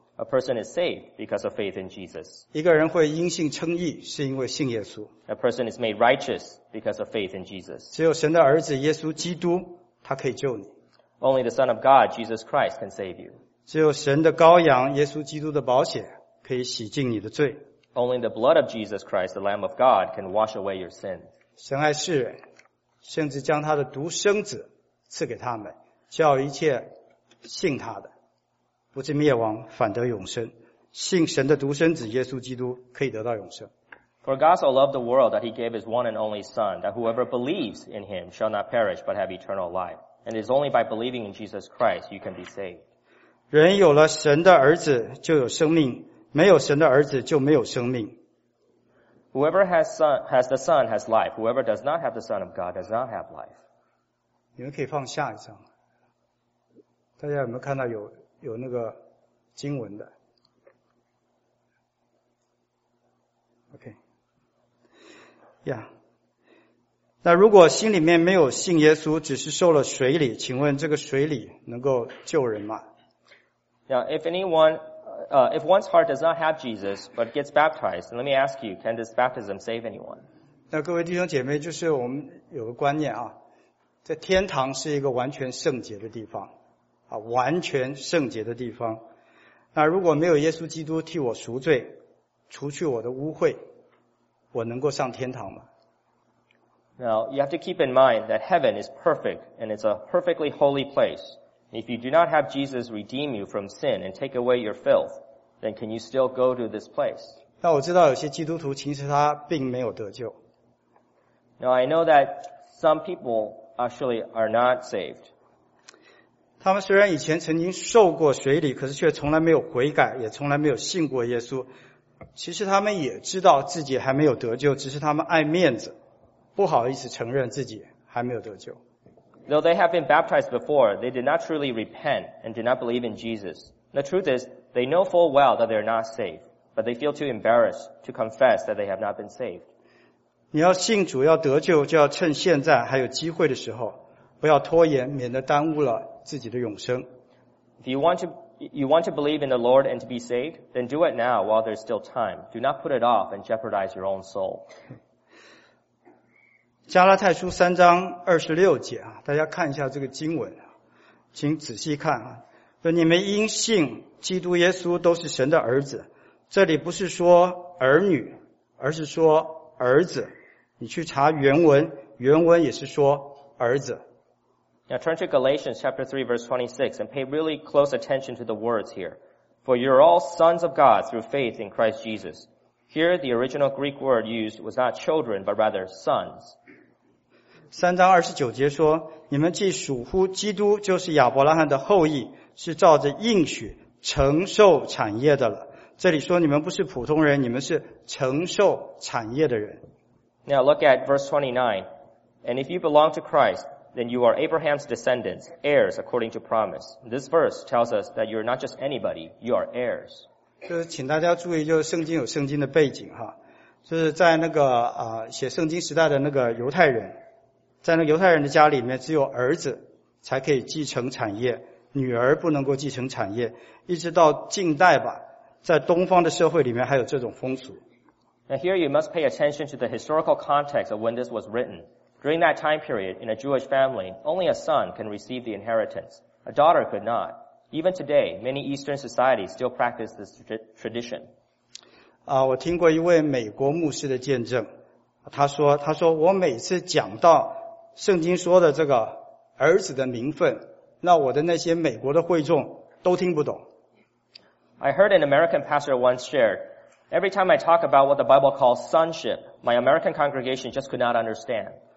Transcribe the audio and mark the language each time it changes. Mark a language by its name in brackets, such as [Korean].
[English] A person is saved because of faith in Jesus. [Chinese] 一个人会因信称义是因为信耶稣。 [English] A person is made righteous because of faith in Jesus. [Chinese] 只有神的儿子耶稣基督他可以救你。 [English] Only the Son of God, Jesus Christ, can save you. [Chinese] 只有神的羔羊耶稣基督的宝血可以洗净你的罪。 [English] Only the blood of Jesus Christ, the Lamb of God, can wash away your sin. [Chinese] 神爱世人，甚至将他的独生子赐给他们，叫一切信他的不至灭亡，反得永生。信神的独生子耶稣基督可以得到永生。 [English] For God so loved the world that he gave his one and only Son, that whoever believes in him shall not perish but have eternal life. And it is only by believing in Jesus Christ you can be saved. [Chinese] 人有了神的儿子就有生命，没有神的儿子就没有生命。 [English] Whoever has the Son has life. Whoever does not have the Son of God does not have life. [Chinese] 你们可以放下一张。大家有没有看到有那个经文的？ [English] Yeah. [Chinese] 那如果心里面没有信耶稣，只是受了水礼，请问这个水礼能够救人吗？ [English] Now, if one's heart does not have Jesus but gets baptized, then let me ask you, can this baptism save anyone? [Chinese] 那各位弟兄姐妹，就是我们有个观念啊，在天堂是一个完全圣洁的地方啊，完全圣洁的地方。那如果没有耶稣基督替我赎罪，除去我的污秽，我能够上天堂吗？ [English] Now you have to keep in mind that heaven is perfect and it's a perfectly holy place. If you do not have Jesus redeem you from sin and take away your filth, then can you still go to this place? [Chinese] 那我知道有些基督徒其实他并没有得救。 [English] Now I know that some people actually are not saved. [Chinese] 他们虽然以前曾经受过洗礼，可是却从来没有悔改，也从来没有信过耶稣。其实他们也知道自己还没有得救，只是他们爱面子，不好意思承认自己还没有得救。 [English] Though they have been baptized before, they did not truly repent and did not believe in Jesus. The truth is, they know full well that they are not saved, but they feel too embarrassed to confess that they have not been saved. [Chinese] 你要信主要得救，就要趁现在还有机会的时候，不要拖延，免得耽误了自己的永生。 [English] If you want to... You want to believe in the Lord and to be saved? Then do it now while there's still time. Do not put it off and jeopardize your own soul. [Chinese] 加拉太书三章二十六节啊，大家看一下这个经文，请仔细看啊。说你们因信基督耶稣都是神的儿子，这里不是说儿女，而是说儿子。你去查原文，原文也是说儿子。 [English] Now turn to Galatians chapter 3 verse 26 and pay really close attention to the words here. For you are all sons of God through faith in Christ Jesus. Here the original Greek word used was not children but rather sons. [Chinese] 3章29节说，你们既属乎基督，就是亚伯拉罕的后裔，是照着应许承受产业的了。这里说你们不是普通人，你们是承受产业的人。 [English] Now look at verse 29. And if you belong to Christ,Then you are Abraham's descendants, heirs according to promise. This verse tells us that you are not just anybody, you are heirs. [Chinese] 就是请大家注意，就是圣经有圣经的背景哈，就是在那个写圣经时代的那个犹太人，在那个犹太人的家里面，只有儿子才可以继承产业，女儿不能够继承产业。一直到近代吧，在东方的社会里面还有这种风俗。 [English] Now here you must pay attention to the historical context of when this was written. During that time period, in a Jewish family, only a son can receive the inheritance. A daughter could not. Even today, many Eastern societies still practice this tradition. [Chinese] 我听过一位美国牧师的见证。他说我每次讲到圣经说的这个儿子的名分，那我的那些美国的会众都听不懂。 [English] I heard an American pastor once shared, every time I talk about what the Bible calls sonship, my American congregation just could not understand.